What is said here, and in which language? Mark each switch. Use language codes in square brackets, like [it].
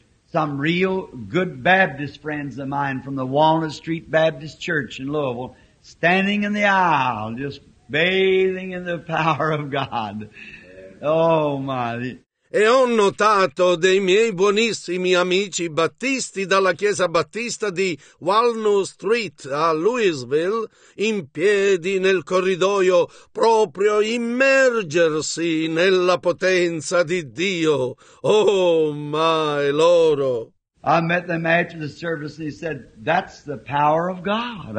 [en] Some real good Baptist friends of mine from the Walnut Street Baptist Church in Louisville standing in the aisle just bathing in the power of God. Oh my. [it] E ho notato dei miei buonissimi amici battisti dalla chiesa battista di Walnut Street a Louisville in piedi nel corridoio proprio immergersi nella potenza di Dio. Oh, my, loro! [en] I met them after the service and he said, that's the power of God.